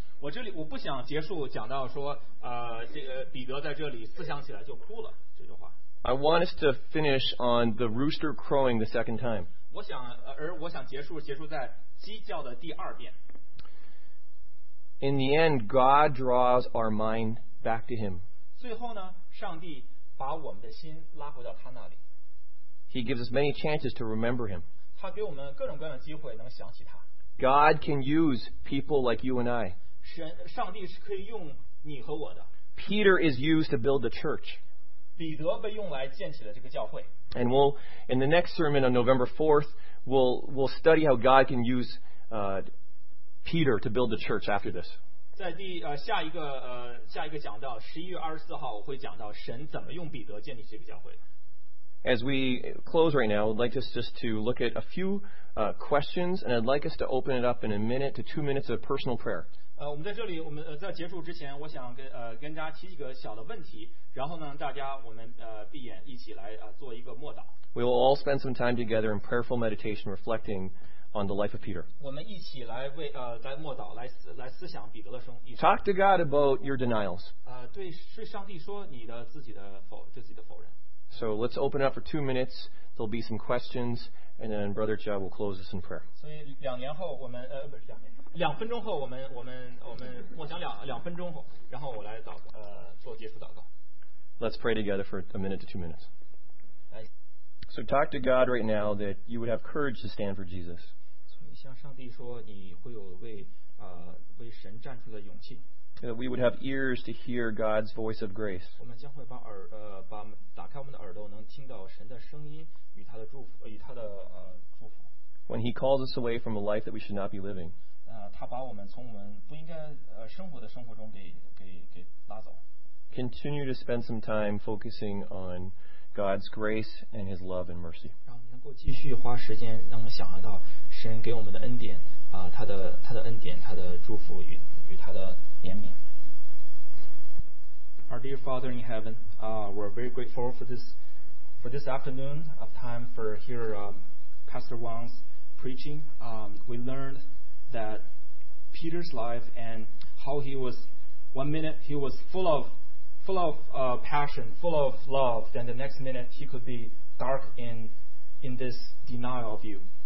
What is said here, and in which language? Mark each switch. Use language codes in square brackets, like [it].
[zh] 我不想结束讲到说，彼得在这里思想起来就哭了这句话。 [en] I want us to finish on the rooster crowing the second time. [zh] 我想而我想结束结束在基教的第二遍。 [en] In the end, God draws our mind back to Him. [zh] 最后呢，上帝把我们的心拉回到他那里。 [en] He gives us many chances to remember Him. [zh] 他给我们各种各样的机会能想起他。 [en] God can use people like you and I. [zh] 上帝是可以用你和我的。 [en] Peter is used to build the church. [zh] 彼得被用来建起了这个教会。 [en] And we'll, in the next sermon on November 4th, we'll study how God can use Peter to build the church after this. [zh] 在第下一个下一个讲到十一月二十四号，我会讲到神怎么用彼得建立这个教会。 [en] As we close right now, I'd like us just to look at a few questions, and I'd like us to open it up in a minute to 2 minutes of personal prayer. [zh] 我们在这里，我们在结束之前，我想跟大家提几个小的问题，然后呢，大家我们闭眼一起来做一个默祷。 [en] We will all spend some time together in prayerful meditation, reflecting on the life of Peter. [zh] 我们一起来为来默祷，来思想彼得的生。 [en] Talk to God about your denials. [zh] 对，是上帝说你的自己的否认。 [en] So let's open it up for 2 minutes. There'll be some questions, and then Brother Jia will close us in prayer. [zh] 所以两年后我们不是两年，两分钟后我们默想两分钟后，然后我来祷做结束祷告。 [en] Let's pray together for a minute to 2 minutes. So talk to God right now that you would have courage to stand for Jesus. [zh] 所以向上帝说你会有为神站出的勇气。 [en] That we would have ears to hear God's voice of grace. [zh] 我们将会把打开我们的耳朵，能听到神的声音与他的祝福，与他的祝福。 [en] When He calls us away from a life that we should not be living. [zh] 他把我们从我们不应该生活的生活中给拉走。 [en] Continue to spend some time focusing on God's grace and His love and mercy. [zh] 让我们能够继续花时间，让我们想象到神给我们的恩典，他的恩典，他的祝福与他的。 [en] Our dear Father in heaven, we're very grateful for this afternoon of time for hear Pastor Wang's preaching. We learned that Peter's life and how he was 1 minute he was full of passion, full of love, then the next minute he could be dark in this denial of you.